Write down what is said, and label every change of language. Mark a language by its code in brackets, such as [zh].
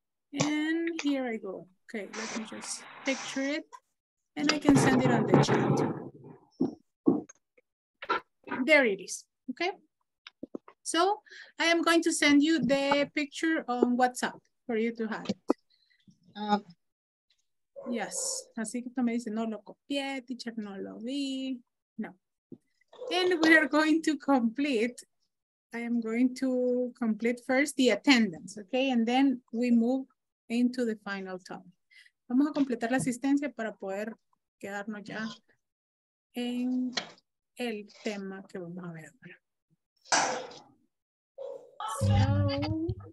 [en] And here I go. Okay, let me just picture it and I can send it on the chat. There it is, okay? So I am going to send you the picture on WhatsApp for you to have it. [es] Yes, así que tú me dices, no lo copié, teacher, no lo vi, no. [en] And we are going to complete, I am going to complete first the attendance, okay? And then we move into the final topic. [es] Vamos a completar la asistencia para poder quedarnos ya en el tema que vamos a ver ahora.